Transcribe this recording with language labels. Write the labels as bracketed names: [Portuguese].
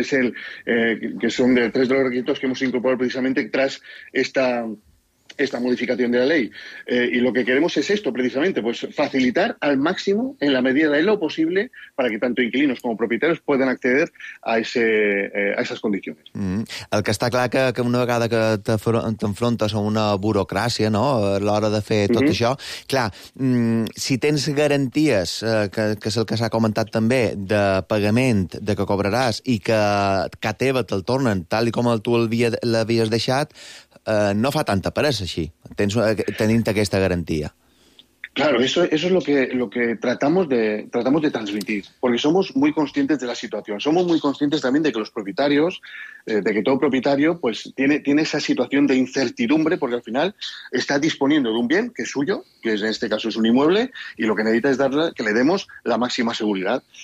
[Spanish] Que es que son de 3 de los requisitos que hemos incorporado precisamente tras esta modificación de la ley. Y lo que queremos es esto, precisamente, pues facilitar al máximo, en la medida de lo posible, para que tanto inquilinos como propietarios puedan acceder a esas condiciones. [Catalan] El que està clar que una vegada que t'enfrontes a una burocràcia, no?, a l'hora de fer tot això, clar, si tens garanties, que és el que s'ha comentat també, de pagament, de que cobraràs, i que a teva te'l tornen tal i com tu l'havies deixat, no fa tanta pressa, així, tenint aquesta garantia. [Spanish] Claro, eso es lo que tratamos de transmitir, porque somos muy conscientes de la situación. Somos muy conscientes también de que los propietarios, de que todo propietario, pues tiene esa situación de incertidumbre, porque al final está disponiendo de un bien que es suyo, que es, en este caso es un inmueble, y lo que necesita es que le demos la máxima seguridad.